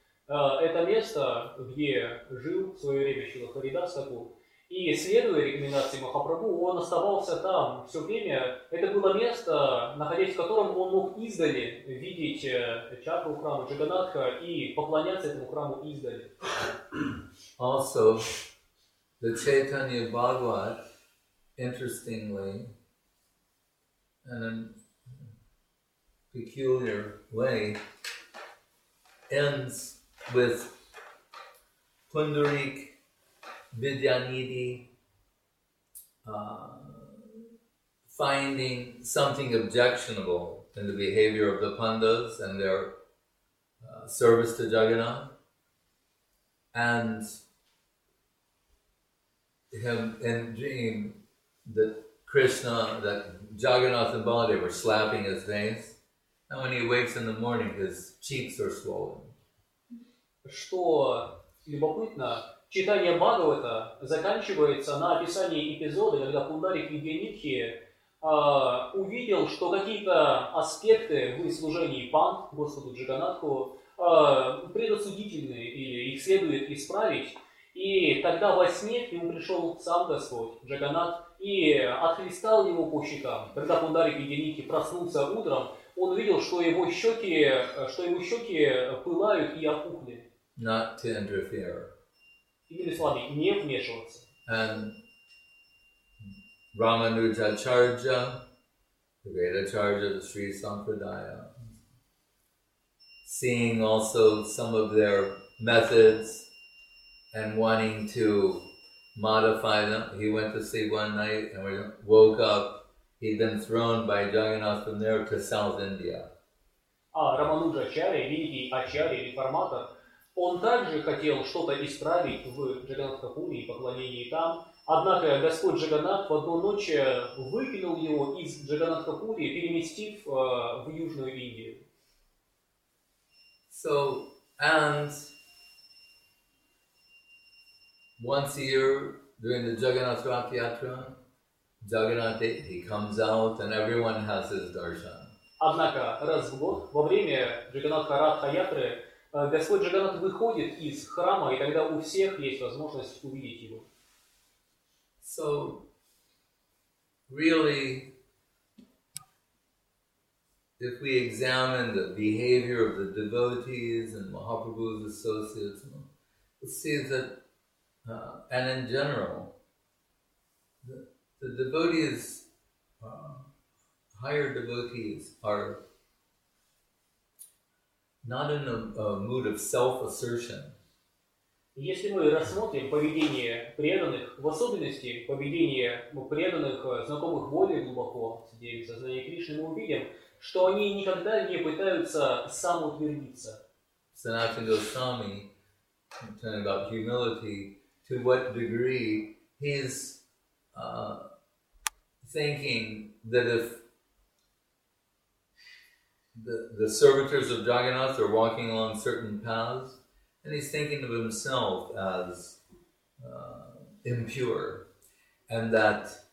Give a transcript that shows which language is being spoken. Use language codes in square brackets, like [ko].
[ru] Это место, где жил в свое время Шрила Харидас Тхакур. И следуя рекомендации Махапрабху, он оставался там все время. Это было место, находясь в котором он мог издали видеть чакру храма Джаганнатха и поклоняться этому храму издали. [en] Also, the Chaitanya Bhagavat, interestingly, in a peculiar way, ends with Pundarik Vidyanidhi finding something objectionable in the behavior of the Pandavas and their service to Jagannath, and him in dream that Krishna, that Jagannath and Baladeva were slapping his face, and when he wakes in the morning, his cheeks are swollen. [ru] Что любопытно, читание Бхагавата заканчивается на описании эпизода, когда Пундарик Видьянидхи увидел, что какие-то аспекты в служении Панд, Господу Джаганнатху, предосудительны, или их следует исправить. И тогда во сне к нему пришел сам Господь Джаганнат и отхлестал его по щекам. Когда Пундарик Видьянидхи проснулся утром, он увидел, что его щеки пылают и опухли. [en] Not to interfere. [ru] Иными словами, не вмешиваться. [en] And Рамануджа Чарджа, the great Acharya of the Sri Sampradaya, seeing also some of their methods and wanting to modify them, he went to sleep one night and woke up. He'd been thrown by Jagannath from there to South India. [ru] Рамануджа Ачарья, великий Ачарья, реформатор, он также хотел что-то исправить в Джаганнатхапуре и поклонении там. Однако Господь Джаганнат в одну ночь выкинул его из Джаганнатхапуре, переместив в Южную Индию. [en] So, and once a year during the Jagannath Rath Yatra, Jagannath, he comes out and everyone has his darshan. [ru] Однако раз в год, во время Джаганнатха Ратха Ятры, Господь Джаганнат выходит из храма, и тогда у всех есть возможность увидеть его. [en] So, really, if we examine the behavior of the devotees and Mahaprabhu's associates, we see that, and in general, the devotees, higher devotees, are not in a mood of self-assertion. [ru] Если мы рассмотрим поведение преданных, в особенности поведение преданных, знакомых более глубоко с идеей сознания Кришны, мы увидим, что они никогда не пытаются самоутвердиться. [en] Sanatana Goswami, talking about humility, to what degree he is thinking that if the servitors of Jagannath are walking along certain paths, and he's thinking of himself as impure, and that